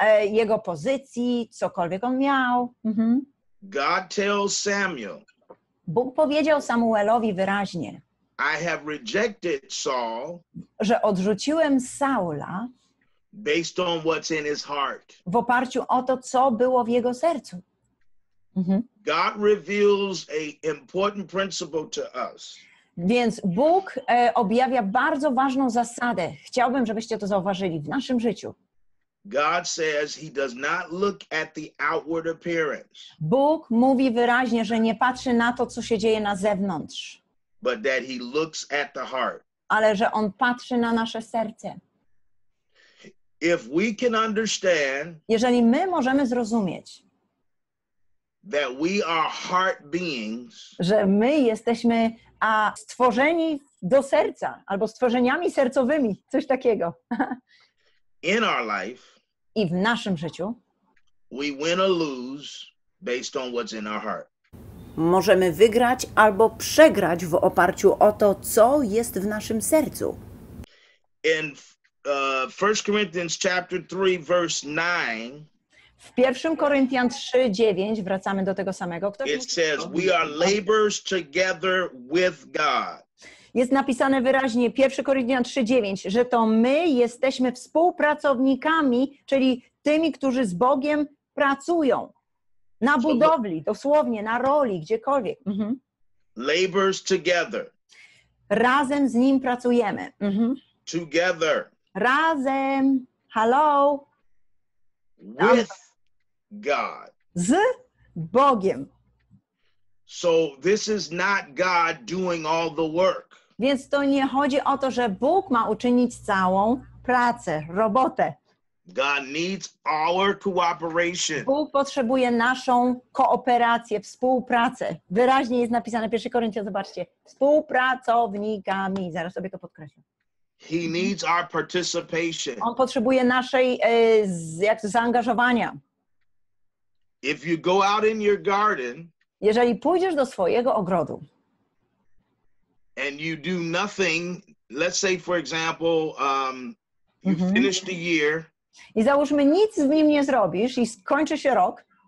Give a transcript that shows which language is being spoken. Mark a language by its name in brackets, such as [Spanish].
[Polish] Jego pozycji, cokolwiek on miał. Mhm. [English] God tells Samuel. [Polish] Bóg powiedział Samuelowi wyraźnie. [English] I have rejected Saul. [Polish] Że odrzuciłem Saula. [English] Based on what's in his heart. [Polish] W oparciu o to, co było w jego sercu. Mm-hmm. [English] God reveals a important principle to us. [Polish] Więc Bóg objawia bardzo ważną zasadę. Chciałbym, żebyście to zauważyli w naszym życiu. [English] God says he does not look at the outward appearance. [Polish] Bóg mówi wyraźnie, że nie patrzy na to, co się dzieje na zewnątrz. [English] But that he looks at the heart. [Polish] Ale że on patrzy na nasze serce. [English] If we can understand, [Polish] jeżeli my możemy zrozumieć, [English] that we are heart beings, [Polish] że my jesteśmy stworzeni do serca, albo stworzeniami sercowymi, coś takiego. [English] In our life, [Polish] i w naszym życiu, [English] we win or lose based on what's in our heart. [Polish] Możemy wygrać albo przegrać w oparciu o to, co jest w naszym sercu. [English] In 1 Corinthians chapter 3 verse 9. [Polish] W 1 Koryntian 3:9 wracamy do tego samego. [English] Ktoś it says to? We are laborers together with God. [Polish] Jest napisane wyraźnie 1 Koryntian 3:9, że to my jesteśmy współpracownikami, czyli tymi, którzy z Bogiem pracują. Na budowli, dosłownie na roli, gdziekolwiek. Mhm. [English] Laborers together. [Polish] Razem z nim pracujemy. Mhm. [English] Together. [Polish] Razem. [English] Hello. With God. [Polish] Z Bogiem. [English] So this is not God doing all the work. [Polish] Więc to nie chodzi o to, że Bóg ma uczynić całą pracę, robotę. [English] God needs our cooperation. [Polish] Bóg potrzebuje naszą kooperację, współpracę. Wyraźnie jest napisane 1 Koryntian, zobaczcie. Współpracownikami. Zaraz sobie to podkreślę. [English] He needs our participation. [Polish] On potrzebuje naszej zaangażowania. [English] If you go out in your garden, [Polish] jeżeli pójdziesz do swojego ogrodu [English] and you do nothing Let's say, for example, you finish the year. [Polish] I załóżmy, nic z nim nie zrobisz i skończy się rok.